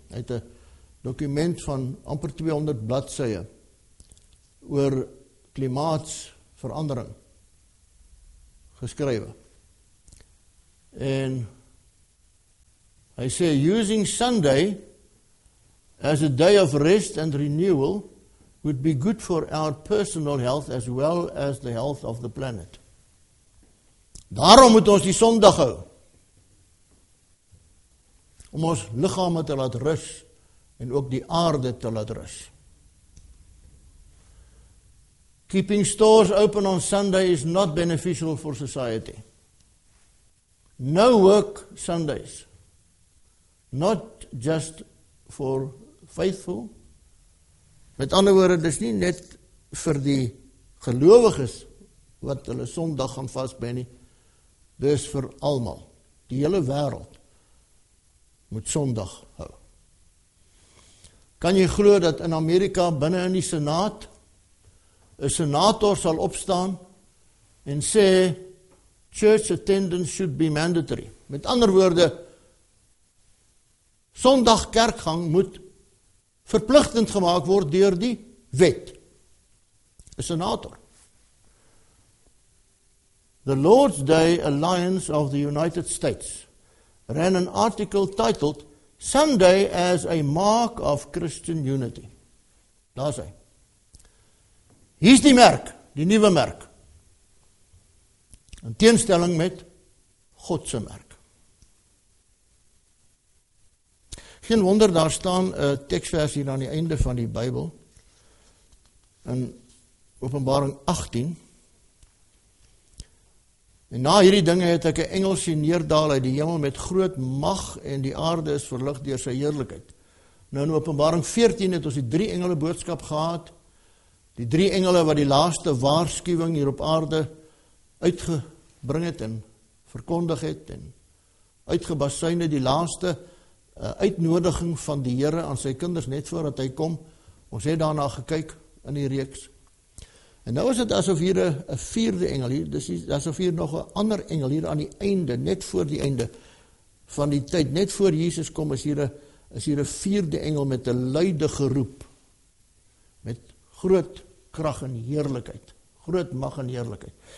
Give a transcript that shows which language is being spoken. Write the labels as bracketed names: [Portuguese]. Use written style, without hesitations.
[Afrikaans] Uit 'n dokument van amper 200 bladsye oor klimaatsverandering geskrywe. En hy sê, [English] using Sunday as a day of rest and renewal would be good for our personal health as well as the health of the planet. [Afrikaans] Daarom moet ons die Sondag hou. Om ons liggame te laat rus en ook die aarde te laat rus. [English] Keeping stores open on Sunday is not beneficial for society. No work Sundays. Not just for faithful. [Afrikaans] Met ander woorde, dis nie net vir die gelowiges wat hulle Sondag gaan vasben nie. Dis vir almal. Die hele wêreld moet Sondag hou. Kan jy glo dat in Amerika binne in die Senaat 'n senator sal opstaan en sê [English] church attendance should be mandatory. [Afrikaans] Met ander woorde Sondag kerkgang moet verpligtend gemaak word deur die wet. 'n Senator. [English] The Lord's Day Alliance of the United States ran an article titled Sunday as a Mark of Christian Unity. [Afrikaans] Daar sê. Hier's die merk, die nuwe merk. In teenstelling met God se merk. Geen wonder daar staan 'n teksvers hier aan die einde van die Bybel in Openbaring 18. En na hierdie dinge het ek 'n engel sien neerdaal uit die hemel met groot mag en die aarde is verlig deur sy heerlikheid. Nou in Openbaring 14 het ons die drie engele boodskap gehad, die drie engele wat die laaste waarskuwing hier op aarde uitgebring het en verkondig het en uitgebasuin het die laaste uitnodiging van die Here aan sy kinders net voordat hy kom. Ons het daarna gekyk in die reeks. En nou is het asof hier een vierde engel hier, dis is asof hier nog een ander engel hier aan die einde, net voor die einde van die tyd, net voor Jesus kom, is hier een vierde engel met een luide geroep, met groot krag en heerlikheid, groot mag en heerlikheid.